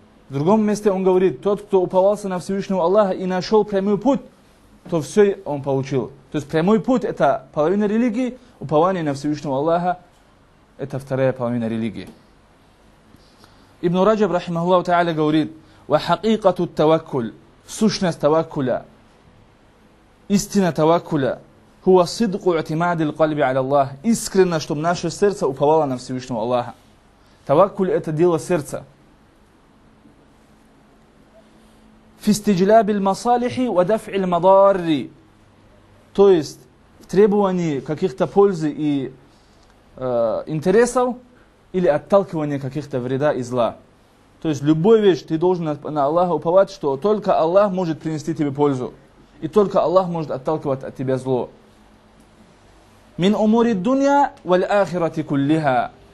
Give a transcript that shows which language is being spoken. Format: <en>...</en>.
<ru>В другом месте он говорит: «Тот, кто уповался на Всевышнего Аллаха и нашел прямой путь, то все он получил». То есть прямой путь – это половина религии, упование на Всевышнего Аллаха – это вторая половина религии. Ибн Раджаб, рахимахуллаху та'аля, говорит:</ru> <ar>وحقيقة التوكل سوشنا التوكل استنا توكل هو صدق اعتماد القلب على الله</ar> <ru>искренно чтобы наше сердце уповало на Всевышнего Аллаха. توكل это дело сердца.</ru> <ar>في استجلاب المصالح ودفع المضار.</ar> <ru>То есть в требовании каких-то пользы и интересов или отталкивание каких-то вреда и зла. То есть любую вещь ты должен на Аллаха уповать, что только Аллах может принести тебе пользу. И только Аллах может отталкивать от тебя зло.</ru> <ar>Мин умури дунья валь ахирати куллиха.</ar>